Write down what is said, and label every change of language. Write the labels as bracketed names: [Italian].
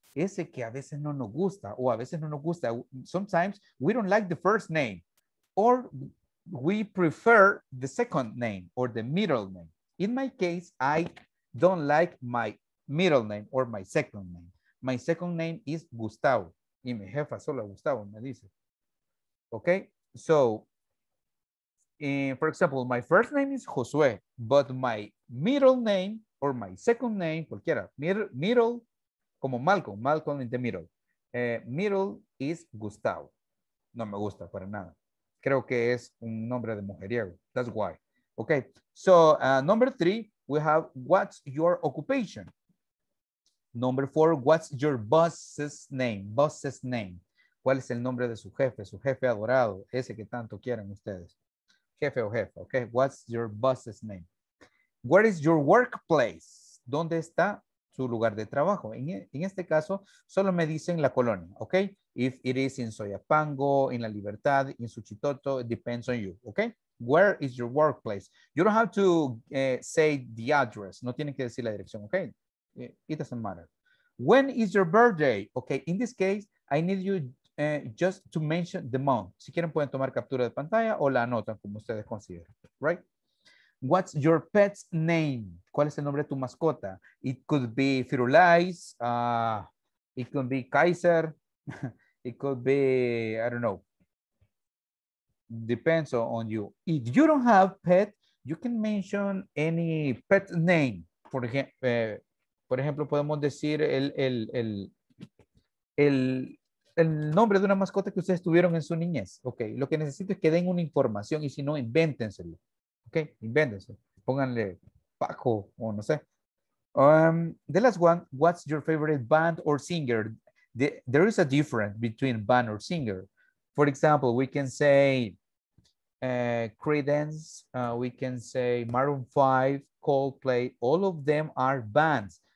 [Spanish] Ese que a veces no nos gusta o a veces no nos gusta. [English] Sometimes we don't like the first name or we prefer the second name or the middle name. In my case, I don't like my middle name or my second name. My second name is Gustavo. [Spanish] Y mi jefa solo Gustavo me dice. [English] Okay, so for example, my first name is Josué, but my middle name or my second name, cualquiera, middle como Malcolm, Malcolm in the middle. Middle is Gustavo. [Spanish] No me gusta para nada. Creo que es un nombre de mujeriego. [English] That's why. Okay. So, number three, we have, what's your occupation? Number four, what's your boss's name? Boss's name. [Spanish] ¿Cuál es el nombre de su jefe adorado, ese que tanto quieren ustedes? Jefe o jefa, [English] okay. What's your boss's name? Where is your workplace? [Spanish] ¿Dónde está su lugar de trabajo? En este caso, solo me dicen la colonia, ¿ok? [English] If it is in Soyapango, in La Libertad, in Suchitoto, it depends on you, ¿ok? Where is your workplace? You don't have to say the address. [Spanish] No tienen que decir la dirección, [English] ¿ok? It doesn't matter. When is your birthday? Ok, in this case, I need you just to mention the month. [Spanish] Si quieren, pueden tomar captura de pantalla o la anotan como ustedes consideren, ¿right? [English] What's your pet's name? [Spanish] ¿Cuál es el nombre de tu mascota? [English] It could be Firulais. It could be Kaiser. It could be, I don't know. Depends on you. If you don't have pet, you can mention any pet name. [Spanish] Por ejemplo, podemos decir el nombre de una mascota que ustedes tuvieron en su niñez. Okay. Lo que necesito es que den una información y si no, invéntenselo. Ok, invéntense. Pónganle Paco o no sé. [English] The last one, what's your favorite band or singer? There is a difference between band or singer. For example, we can say Creedence, we can say Maroon 5, Coldplay, all of them are bands.